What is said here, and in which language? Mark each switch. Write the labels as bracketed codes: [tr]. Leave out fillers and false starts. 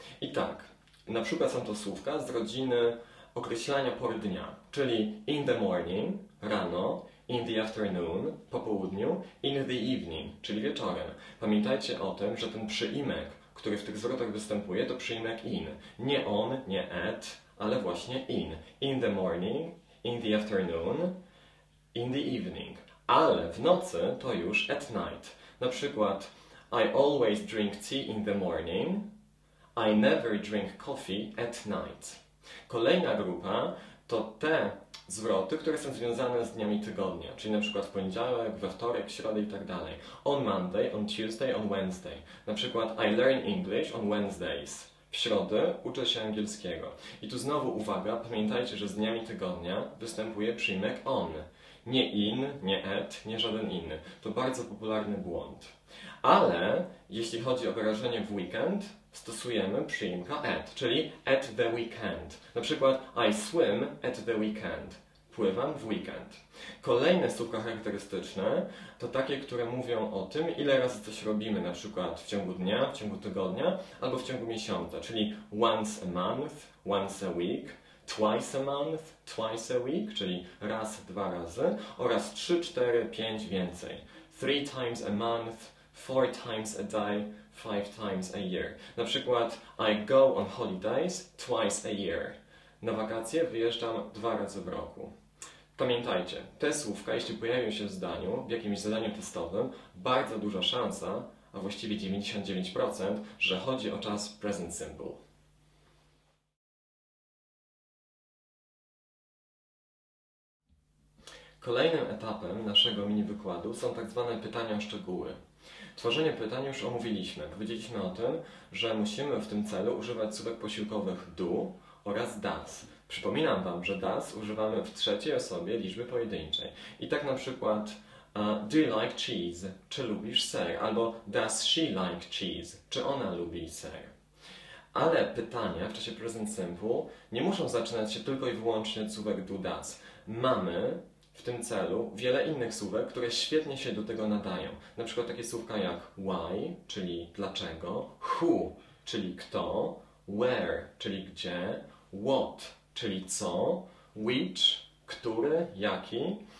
[pl] I tak, na przykład są to słówka z rodziny określania pory dnia, czyli [en] in the morning, [pl] rano, [en] in the afternoon, [pl] po południu, [en] in the evening, [pl] czyli wieczorem. Pamiętajcie o tym, że ten przyimek, który w tych zwrotach występuje, to przyimek in. Nie on, nie at, ale właśnie in. [en] In the morning, in the afternoon, in the evening, [pl] ale w nocy to już [en] at night. [pl] Na przykład, [en] I always drink tea in the morning, I never drink coffee at night. [pl] Kolejna grupa to te zwroty, które są związane z dniami tygodnia, czyli na przykład w poniedziałek, we wtorek, środę i tak dalej. [en] On Monday, on Tuesday, on Wednesday. [pl] Na przykład, [en] I learn English on Wednesdays. [pl] W środę uczę się angielskiego. I tu znowu uwaga, pamiętajcie, że z dniami tygodnia występuje przyjmek on. Nie in, nie at, nie żaden inny. To bardzo popularny błąd. Ale jeśli chodzi o wyrażenie w weekend, stosujemy przyimka at, czyli [en] at the weekend. [pl] Na przykład [en] I swim at the weekend. [pl] Pływam w weekend. Kolejne słówka charakterystyczne to takie, które mówią o tym, ile razy coś robimy, na przykład w ciągu dnia, w ciągu tygodnia albo w ciągu miesiąca, czyli [en] once a month, once a week, [pl] twice a month, twice a week, czyli raz, dwa razy, oraz 3, 4, 5 więcej. [en] Three times a month, four times a day, five times a year. [pl] Na przykład, [en] I go on holidays twice a year. [pl] Na wakacje wyjeżdżam dwa razy w roku. Pamiętajcie, te słówka, jeśli pojawią się w zdaniu, w jakimś zadaniu testowym, bardzo duża szansa, a właściwie 99%, że chodzi o czas present simple. Kolejnym etapem naszego mini wykładu są tak zwane pytania o szczegóły. Tworzenie pytań już omówiliśmy. Powiedzieliśmy o tym, że musimy w tym celu używać słówek posiłkowych do oraz does. Przypominam Wam, że does używamy w trzeciej osobie liczby pojedynczej. I tak na przykład [en] do you like cheese? [pl] Czy lubisz ser? [en] Albo does she like cheese? [pl] Czy ona lubi ser? Ale pytania w czasie present simple nie muszą zaczynać się tylko i wyłącznie od słówek do, does. Mamy w tym celu wiele innych słówek, które świetnie się do tego nadają. Na przykład takie słówka jak why, czyli dlaczego, who, czyli kto, where, czyli gdzie, what, czyli co, which, który, jaki.